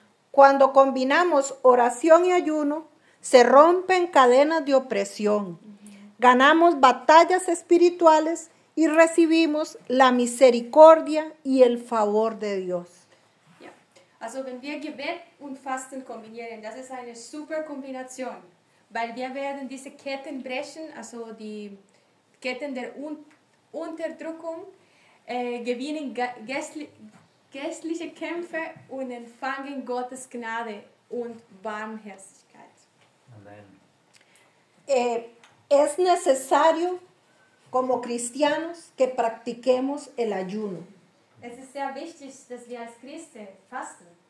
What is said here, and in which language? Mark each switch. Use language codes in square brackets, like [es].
[es] Cuando combinamos oración y ayuno, se rompen cadenas de opresión, ganamos batallas espirituales y recibimos la misericordia y el favor de Dios. Yeah. [de] Also, wenn wir Gebet und Fasten kombinieren, das ist eine super Kombination, weil wir werden diese Ketten brechen, also die Ketten der Unterdrückung. Gewinnen geistliche Kämpfe und empfangen Gottes Gnade und Barmherzigkeit. Amen. [es] Es necesario como cristianos que practiquemos el ayuno. [de] Es ist sehr wichtig, dass wir als Christen fasten.